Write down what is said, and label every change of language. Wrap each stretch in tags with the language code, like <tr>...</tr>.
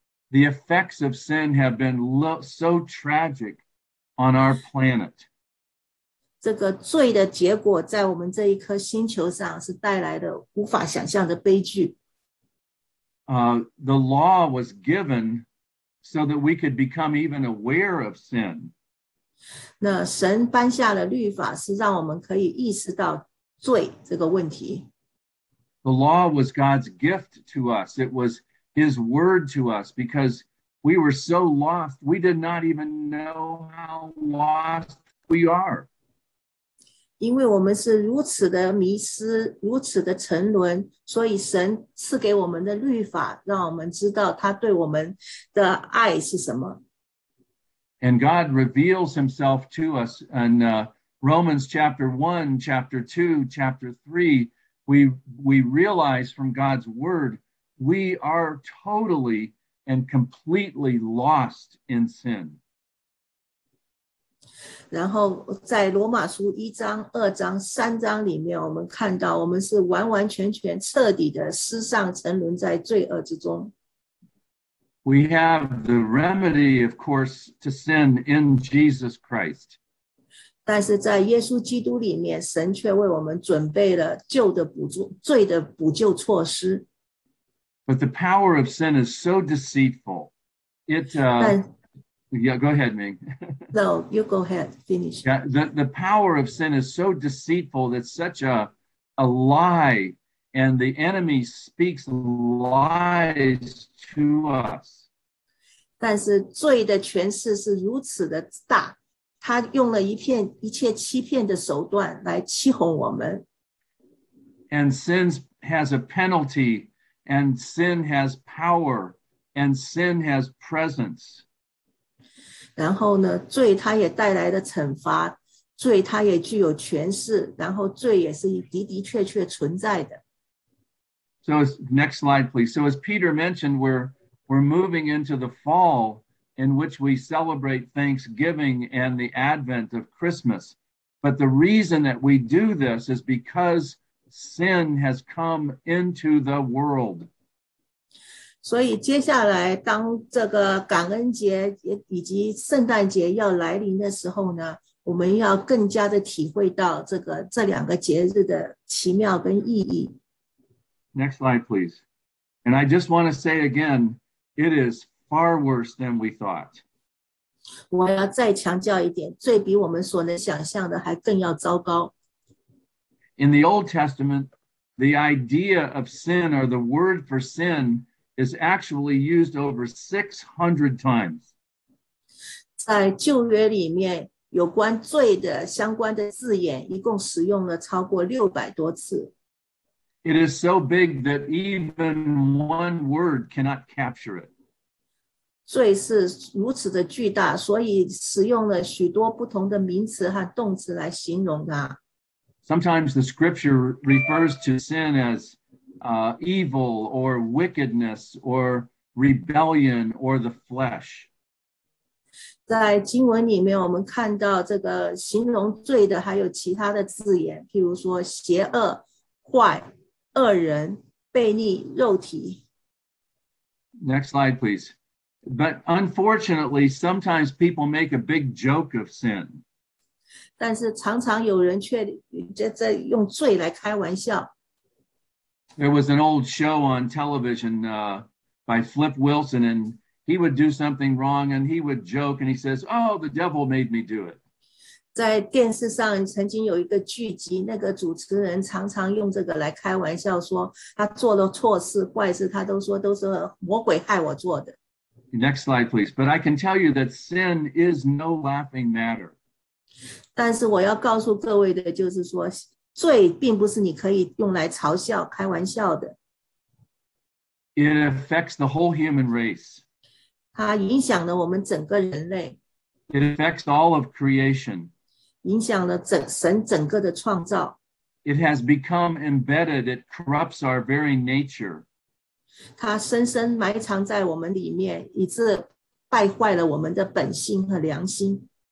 <en>The effects of sin have been so tragic on our planet.</en> <zh>这个罪的结果在我们这一颗星球上是带来的无法想象的悲剧。</zh> <en>The law was given so that we could become even aware of sin.</en> <zh>那神颁下的律法是让我们可以意识到罪这个问题。</zh> <en>The law was God's gift to us. It was his word to us because we were so lost. We did not even know how lost we are.</en> <zh>因为我们是如此的迷失，如此的沉沦，所以神赐给我们的律法，让我们知道他对我们的爱是什么。</zh> <en>And God reveals himself to us in Romans chapter 1, chapter 2, chapter 3, we realize from God's word, we are totally and completely lost in sin.</en> <zh>然后在罗马书一章、二章、三章里面，我们看到我们是完完全全、彻底的失丧、沉沦在罪恶之中。</zh> <en>We have the remedy, of course, to sin in Jesus Christ.</en> <zh>但是在耶稣基督里面，神却为我们准备了救的补助、罪的补救措施。</zh> <en>But the power of sin is so deceitful. Yeah, go ahead, Ming. No, you go ahead, finish. Yeah, the power of sin is so deceitful, that's such a lie, and the enemy speaks lies to us.</en> <zh>但是罪的权势是如此的大，他用了一切欺骗的手段来欺哄我们。</zh> <en>And sin has a penalty, and sin has power, and sin has presence.</en> <zh>然后呢，罪它也带来了惩罚，罪它也具有权势，然后罪也是的的确确存在的。</zh> <en>So next slide, please. So as Peter mentioned, we're moving into the fall in which we celebrate Thanksgiving and the advent of Christmas. But the reason that we do this is because sin has come into the world.</en> <zh>所以接下来当这个感恩节以及圣诞节要来临的时候呢，我们要更加的体会到这两个节日的奇妙跟意义。</zh> <en>Next slide, please. And I just want to say again, it is far worse than we thought.</en> <zh>我要再强调一点，罪比我们所能想象的还更要糟糕。</zh> <en>In the Old Testament, the idea of sin or the word for sin,is actually used over 600 times.</en> <zh>在旧约里面，有关罪的相关的字眼，一共使用了超过600多次。</zh> <en>It is so big that even one word cannot capture it.</en> <zh>罪是如此的巨大，所以使用了许多不同的名词和动词来形容它。</zh> <en>Sometimes the scripture refers to sin as evil or wickedness or rebellion or the flesh.</en> <zh>在经文里面，我们看到这个形容罪的还有其他的字眼，譬如说邪恶、坏、恶人、悖逆、肉体。</zh> <en>Next slide, please. But unfortunately, sometimes people make a big joke of sin.</en> <zh>但是常常有人却在用罪来开玩笑。</zh> <en>There was an old show on television by Flip Wilson, and he would do something wrong, and he would joke, and he says, oh, the devil made me do it.</en> <zh>在电视上曾经有一个剧集，那个主持人常常用这个来开玩笑，说他做了错事、坏事，他都说魔鬼害我做的。</zh> <en>Next slide, please. But I can tell you that sin is no laughing matter.</en> <zh>但是我要告诉各位的就是说，罪并不是你可以用来嘲笑、开玩笑的。</zh> <en>It affects the whole human race.</en> <zh>它影响了我们整个人类。</zh> <en>It affects all of creation.</en> <zh>影响了神整个的创造。</zh> <en>It has become embedded, it corrupts our very nature.</en> <zh>它深深埋藏在我们里面，以致败坏了我们的本性和良心。</zh>